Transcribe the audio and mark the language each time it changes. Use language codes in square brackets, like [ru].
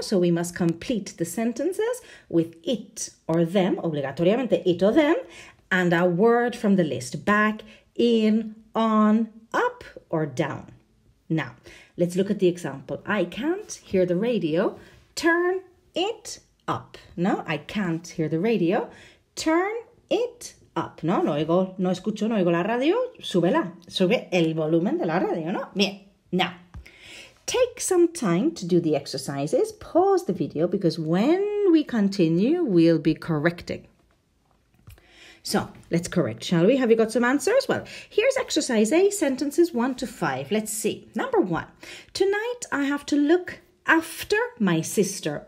[en] So we must complete the sentences with it or them, obligatoriamente it or them, and a word from the list, back, in, on, up, or down. Now, let's look at the example. I can't hear the radio, turn it up, ¿no? I can't hear the radio, turn it up, ¿no? [es] No oigo, no escucho, no oigo la radio, súbela, sube el volumen de la radio, ¿no? [en] Bien, now. Take some time to do the exercises. Pause the video because when we continue, we'll be correcting. So, let's correct, shall we? Have you got some answers? Well, here's exercise A, sentences 1 to 5. Let's see. Number one. Tonight, I have to look after my sister.